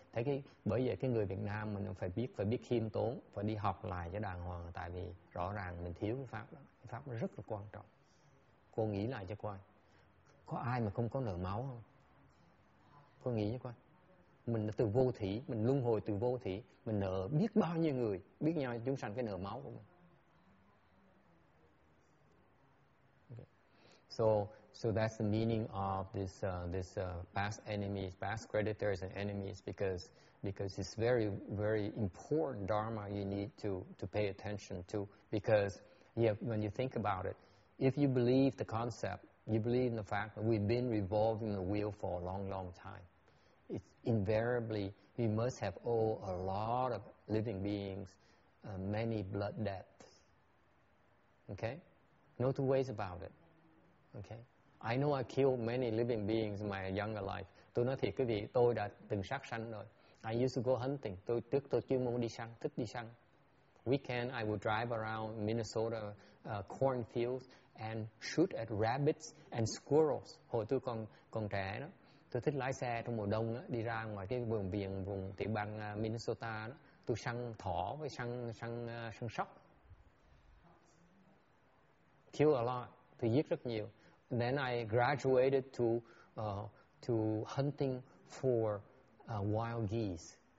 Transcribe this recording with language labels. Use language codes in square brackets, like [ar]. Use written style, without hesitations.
[vi] Thấy cái, bởi vậy cái người Việt Nam mình phải biết khiêm tốn, phải đi học lại cho đàng hoàng, tại vì rõ ràng mình thiếu cái pháp đó. Pháp nó rất là quan trọng. Cô nghĩ lại cho coi, có ai mà không có nở máu không? Cô nghĩ cho coi. Mình là từ vô thủy, mình luân hồi từ vô thủy, mình nở biết bao nhiêu người, biết nhau chúng sanh cái nở máu của mình. [en] So that's the meaning of this past enemies, past creditors and enemies, because it's very, very important dharma you need to pay attention to. Because yeah, when you think about it, if you believe the concept, you believe in the fact that we've been revolving the wheel for a long, long time, it's invariably we must have owed a lot of living beings many blood debts. Okay? No two ways about it. Okay. I know I killed many living beings in my younger life. [vi] Tôi nói thiệt quý vị, tôi đã từng sát sanh rồi. [en] I used to go hunting. [vi] Tôi chuyên môn đi săn, thích đi săn. [en] Weekend I would drive around Minnesota cornfields and shoot at rabbits and squirrels. [vi] Hồi tôi còn trẻ đó, tôi thích lái xe trong mùa đông đó, đi ra ngoài cái vườn viện vùng tiểu bang Minnesota đó, tôi săn thỏ với săn sóc. [en] Kill a lot. [vi] Tôi giết rất nhiều. [en] And then I graduated to hunting for wild geese.